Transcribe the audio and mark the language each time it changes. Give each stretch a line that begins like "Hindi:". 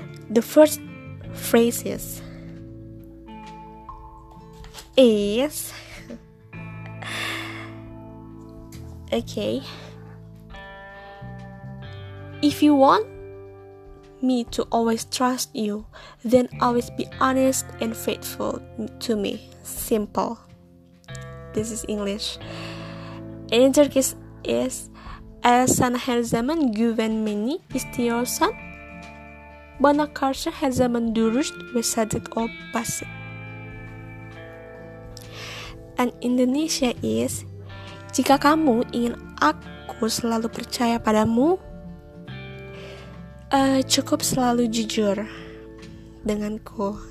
English: The first phrases is okay. If you want me to always trust you, then always be honest and faithful to me. Simple. This is English. In Turkish is
Turkish: Sana her zaman güvenmeni istiyorsan bana karşı her zaman dürüst ve sadık ol basit.
English: And Indonesia is
Indonesian: jika kamu ingin aku selalu percaya padamu, cukup selalu jujur denganku.